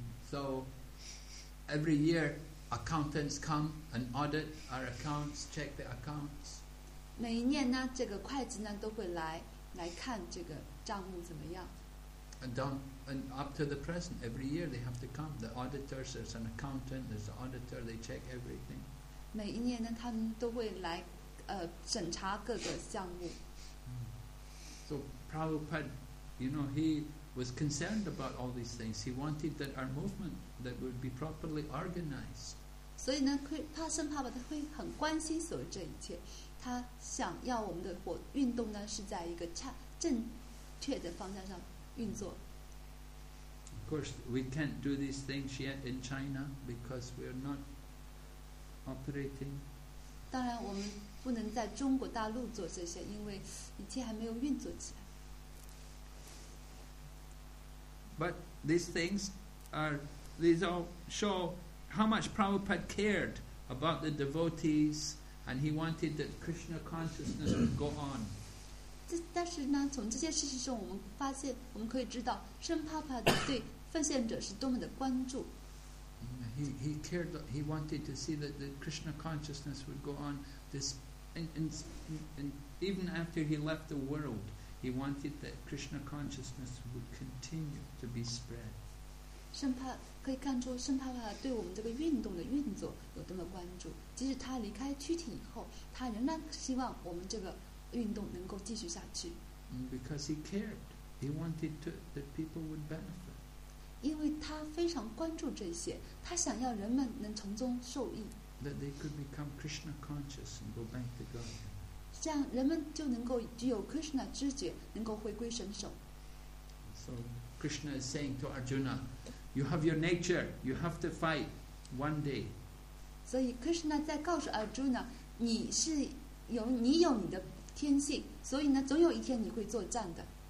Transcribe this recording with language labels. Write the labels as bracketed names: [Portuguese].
[English] So every year accountants come and audit our accounts, check the accounts. [Chinese] 每一年呢，这个会计呢都会来看这个账目怎么样。 [English] And up to the present, every year they have to come. The auditors, there's an accountant, there's an auditor, they check everything. [Chinese] 每一年呢，他们都会来。审查各个项目。 [English] So Prabhupada, you know, he was concerned about all these things. He wanted that our movement that would be properly organized. [Chinese] 所以呢，帕森帕巴他会很关心所有这一切。他想要我们的运动呢是在一个正确的方向上运作。 [English] Of course, we can't do these things yet in China because we are not operating. [Chinese] 当然，我们不能在中国大陆做这些，因为一切还没有运作起来。 [English] But these things are, these all show how much Prabhupada cared about the devotees, and he wanted that Krishna consciousness would go on. [Chinese] 但是呢，从这些事实中，我们发现，我们可以知道，圣帕帕的对奉献者是多么的关注。 [English] He cared. He wanted to see that the Krishna consciousness would go on. This, and even after he left the world, he wanted that Krishna consciousness would continue to be spread. [Chinese] 圣帕可以看出圣帕帕对我们这个运动的运作有多么关注。即使他离开躯体以后，他仍然希望我们这个运动能够继续下去。 [English] Because he cared, he wanted that people would benefit. [Chinese] 因为他非常关注这些，他想要人们能从中受益。 [English] That they could become Krishna conscious and go back to God. [Chinese] 像人们就能够具有 Krishna 知觉，能够回归神手。 [English] So Krishna is saying to Arjuna, "You have your nature. You have to fight one day." [Chinese] 所以 Krishna 在告诉 Arjuna, 你是有你有你的天性，所以呢，总有一天你会作战的。